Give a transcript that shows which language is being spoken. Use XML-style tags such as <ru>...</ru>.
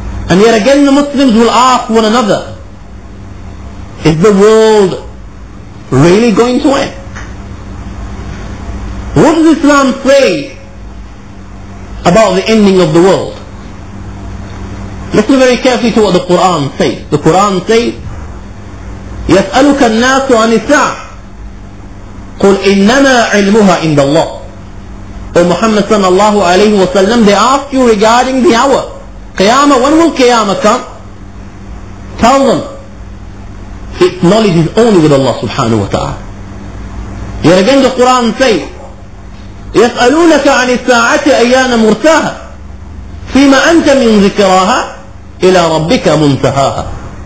<en>And yet again the Muslims will ask one another, is the world really going to end? What does Islam say about the ending of the world? Listen very carefully to what the Quran says. The Quran says,</en> <ar>يَسْأَلُكَ النَّاسُ عَنِ السَّاعَةِ قُلْ إِنَّمَا عِلْمُهَا عِنْدَ اللَّهِ.</ar> <en>O Muhammad sallallahu alayhi wa sallam, they ask you regarding the hour. Qiyamah, when will Qiyamah come? Tell them, its knowledge is only with Allah subhanahu wa ta'ala. Yet again the Quran says,</en> <ar>يَسْأَلُونَكَ عَنِ السَّاعَةِ أَيَّانَ مُرْسَاهَا فِيمَا أَنْتَ مِنْ ذِكْرَاهَا إِلَىٰ رَبِّكَ مُنْتَهَاهَا.</ar>